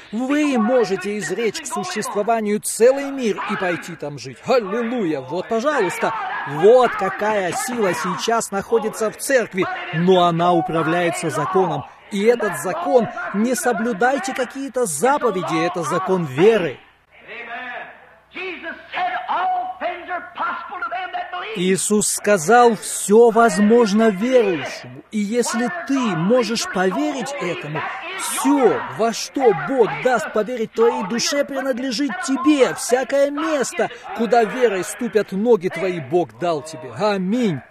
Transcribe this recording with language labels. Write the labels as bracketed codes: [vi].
[ru] Вы можете изречь к существованию целый мир и пойти там жить. Аллилуйя! Вот, пожалуйста, вот какая сила сейчас находится в церкви, но она управляется законом. И этот закон, не соблюдайте какие-то заповеди, это закон веры. [en] Amen. Jesus said, all things are possible to them that believe. [ru] Иисус сказал: «Все возможно верующему». И если ты можешь поверить этому, все, во что Бог даст поверить твоей душе, принадлежит тебе. Всякое место, куда верой ступят ноги твои, Бог дал тебе. Аминь.